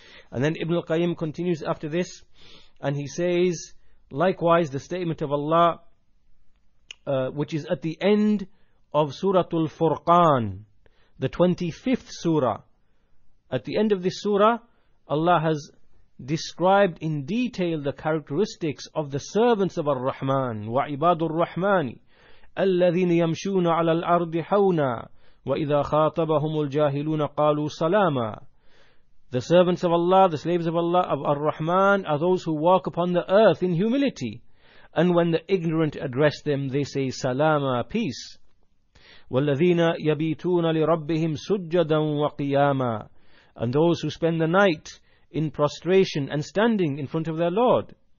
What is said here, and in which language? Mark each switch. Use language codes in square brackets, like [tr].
[en] And then Ibn al-Qayyim continues after this, and he says, likewise, the statement of Allah, which is at the end of Surah al-Furqan, the 25th surah. At the end of this surah, Allah has described in detail the characteristics of the servants of Ar-Rahman, [ar] وَعِبَادُ الرَّحْمَانِ الَّذِينَ يَمْشُونَ عَلَى الْأَرْضِ حَوْنًا وَإِذَا خَاطَبَهُمُ الْجَاهِلُونَ قَالُوا سَلَامًا. [en] The servants of Allah, the slaves of Allah, of Ar-Rahman, are those who walk upon the earth in humility. And when the ignorant address them, they say, Salama, peace. [ar] وَالَّذِينَ يَبِيتُونَ لِرَبِّهِمْ سُجَّدًا وَقِيَامًا. [en] And those who spend the night in prostration and standing in front of their Lord.